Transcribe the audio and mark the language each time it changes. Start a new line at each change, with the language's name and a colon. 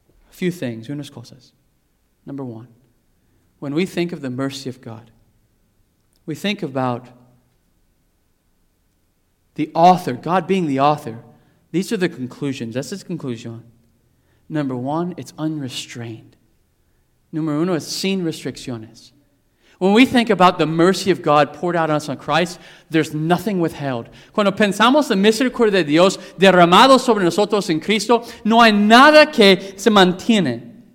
English: A few things,
Spanish: unas cosas.
English: Number one, when we think of the mercy of God, we think about the author, God being the author. These are the conclusions. That's his conclusion. Number one, it's unrestrained.
Spanish: Número uno, es sin restricciones.
English: When we think about the mercy of God poured out on us on Christ, there's nothing withheld.
Spanish: Cuando pensamos en misericordia de Dios derramado sobre nosotros en Cristo, no hay nada que se mantiene.